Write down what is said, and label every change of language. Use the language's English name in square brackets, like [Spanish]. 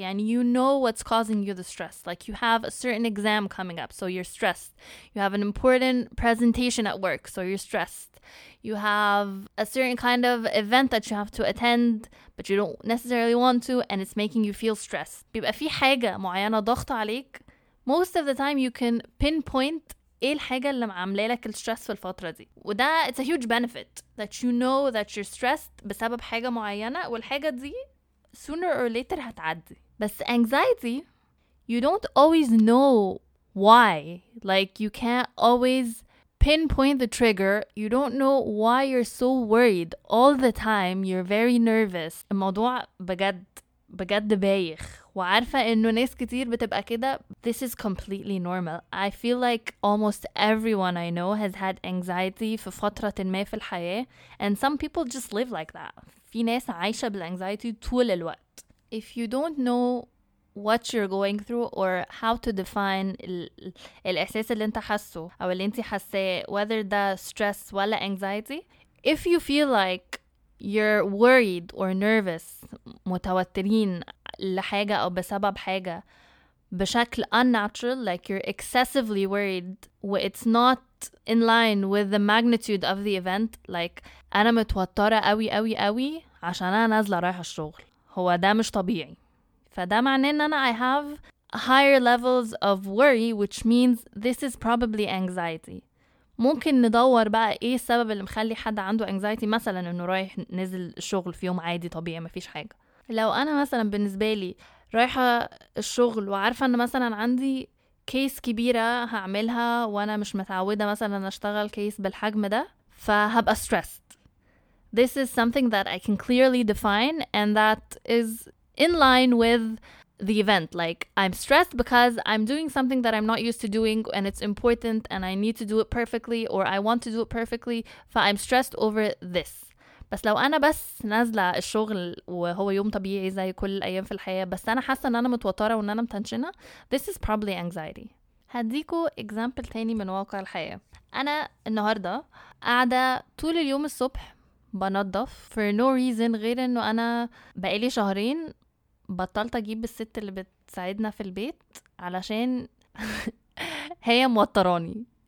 [English] يعني you know what's causing you the stress. Like you have a certain exam coming up, so you're stressed. You have an important presentation at work, so you're stressed. You have a certain kind of event that you have to attend, but you don't necessarily want to, and it's making you feel stressed. [Arabic] بيبقى في حاجة معينة ضغط عليك. [English] Most of the time you can pinpoint [Arabic] إيه الحاجة اللي معاملة لك الستريس في الفترة دي. وده [English] it's a huge benefit that you know that you're stressed [Arabic] بسبب حاجة معينة, والحاجة دي [English] sooner or later [Arabic] هتعدي. [English] بس anxiety you don't always know why. Like you can't always pinpoint the trigger. You don't know why you're so worried all the time. You're very nervous. [Arabic] الموضوع بجد بجد بايخ. وعارفة إنه ناس كتير بتبقى كده. [English] This is completely normal. I feel like almost everyone I know has had anxiety [Arabic] في فترة ما في الحياة. [English] And some people just live like that. [Arabic] في ناس عايشة بالانزايتي طول الوقت. [English] If you don't know what you're going through or how to define [Arabic] الإحساس اللي انت حاسه أو اللي انت حاساه, [English] whether the stress [Arabic] ولا [English] anxiety, if you feel like you're worried or nervous, [Arabic] متوترين لحاجة أو بسبب حاجة بشكل [English] unnatural, like you're excessively worried, it's not in line with the magnitude of the event, like [Arabic] أنا متوترة أوي أوي أوي عشان أنا نازلة رايحة الشغل, هو ده مش طبيعي. فده معناه إن أنا [English] I have higher levels of worry, which means this is probably anxiety. [Arabic] ممكن ندور بقى إيه السبب اللي مخلي حد عنده anxiety, مثلا إنه رايح نزل الشغل في يوم عادي طبيعي مفيش حاجة. لو أنا مثلا بالنسبة لي رايحة الشغل وعارفة أن مثلا عندي كيس كبيرة هعملها وأنا مش متعودة مثلا أشتغل كيس بالحجم ده, فهبقى stressed. [English] This is something that I can clearly define and that is in line with the event. Like I'm stressed because I'm doing something that I'm not used to doing and it's important and I need to do it perfectly or I want to do it perfectly, فI'm stressed over this. [Arabic] بس لو أنا بس نازلة الشغل وهو يوم طبيعي زي كل الأيام في الحياة, بس أنا حاسة أن أنا متوترة وأن أنا متنشنة, [English] this is probably anxiety. [Arabic] هديكو example تاني من واقع الحياة. أنا النهاردة قاعدة طول اليوم الصبح بنظف [English] for no reason [Arabic] غير أنه أنا بقالي شهرين بطلت أجيب الست اللي بتساعدنا في البيت علشان هي موتراني.